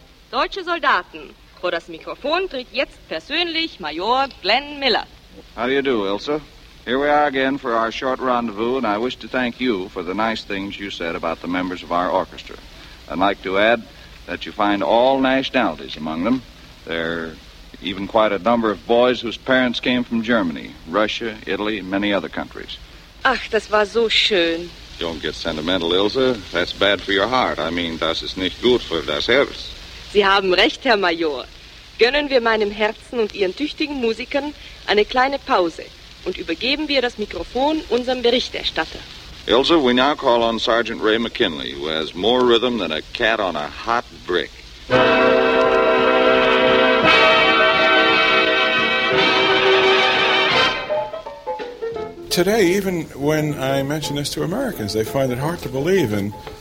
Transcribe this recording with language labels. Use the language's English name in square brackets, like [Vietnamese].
[German] Deutsche Soldaten, vor das Mikrofon tritt jetzt persönlich Major Glenn Miller. [English] How do you do, Ilse? Here we are again for our short rendezvous, and I wish to thank you for the nice things you said about the members of our orchestra. I'd like to add that you find all nationalities among them. There are even quite a number of boys whose parents came from Germany, Russia, Italy, and many other countries. [German] Ach, das war so schön. [English] Don't get sentimental, Ilse. That's bad for your heart. I mean, [German] das ist nicht gut für das Herz. Sie haben recht, Herr Major. Gönnen wir meinem Herzen und Ihren tüchtigen Musikern eine kleine Pause und übergeben wir das Mikrofon unserem Berichterstatter. [English] Ilse, we now call on Sergeant Ray McKinley, who has more rhythm than a cat on a hot brick. Today, even when I mention this to Americans, they find it hard to believe in.